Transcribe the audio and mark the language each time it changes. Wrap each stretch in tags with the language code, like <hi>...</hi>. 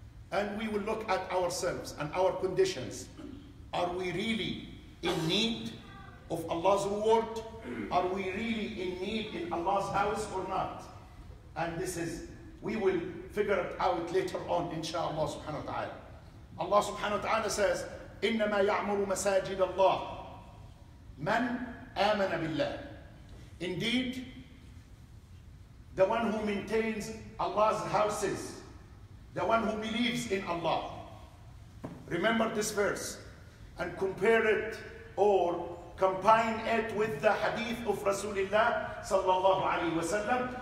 <en>And we will look at ourselves and our conditions. Are we really in need of Allah's reward? Are we really in need in Allah's house or not? And this is, we will figure it out later on, inshallah subhanahu wa ta'ala. Allah subhanahu wa ta'ala says,</en> <ar>إنما يعمر مساجد الله من آمن بالله.</ar> <en>Indeed, the one who maintains Allah's houses, the one who believes in Allah. Remember this verse and compare it or combine it with the hadith of Rasulullah sallallahu alayhi wa sallam.</en>